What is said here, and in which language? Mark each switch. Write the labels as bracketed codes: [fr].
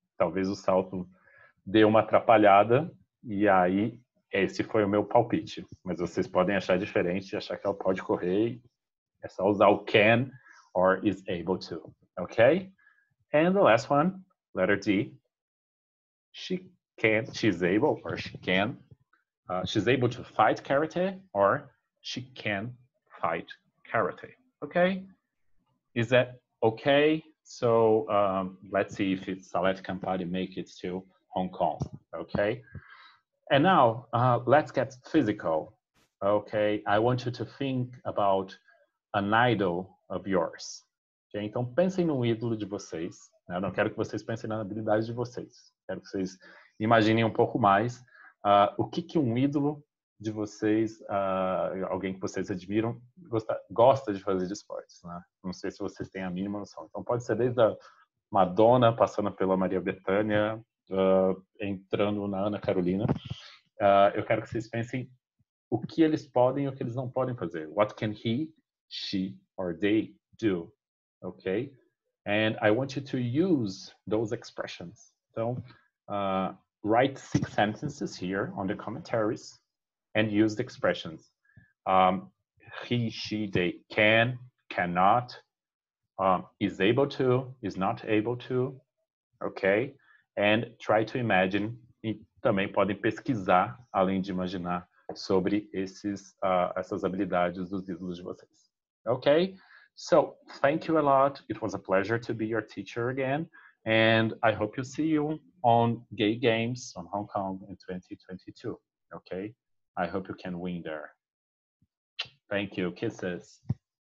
[pt] Talvez o salto dê uma atrapalhada, e aí esse foi o meu palpite. Mas vocês podem achar diferente, achar que ela pode correr, é só usar o can or is able to, ok? [en] And the last one, letter D, she's able to fight karate or she can fight karate, ok? Is that ok? So let's see if Salete Campari make it to Hong Kong, okay? And now let's get physical, okay? I want you to think about an idol of yours, okay? [pt] Então pensem no ídolo de vocês. Eu não quero que vocês pensem na habilidade de vocês. Quero que vocês imaginem um pouco mais o que, que um ídolo de vocês, alguém que vocês admiram, gosta de fazer de esportes, né? Não sei se vocês têm a mínima noção. Então pode ser desde a Madonna, passando pela Maria Bethânia, entrando na Ana Carolina. Eu quero que vocês pensem o que eles podem e o que eles não podem fazer. [en] What can he, she, or they do? Okay? And I want you to use those expressions. [pt] Então, [en] write 6 sentences here on the commentaries and use the expressions. He, she, they can, cannot, is able to, is not able to. Okay? And try to imagine. [pt] E também podem pesquisar, além de imaginar, sobre esses, essas habilidades dos ídolos de vocês. [en] Okay? So, thank you a lot. It was a pleasure to be your teacher again. And I hope you see you on Gay Games on Hong Kong in 2022. Okay? I hope you can win there. Thank you. Kisses.